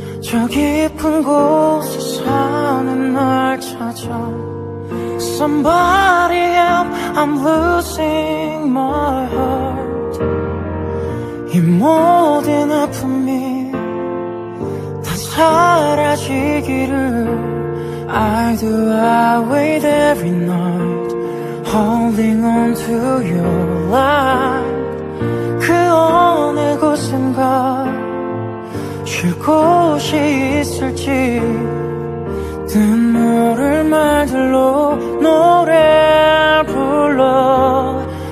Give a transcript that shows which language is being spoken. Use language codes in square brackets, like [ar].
[ko] 저 깊은 곳에 사는 날 찾아. [en] Somebody help, I'm losing my heart. [ko] 이 모든 아픔이 다 사라지기를. [en] I do, I wait every night, holding on to your light. [ko] 그 어느 곳인가 쉴 곳이 있을지 눈물을 말들로 노래 불러.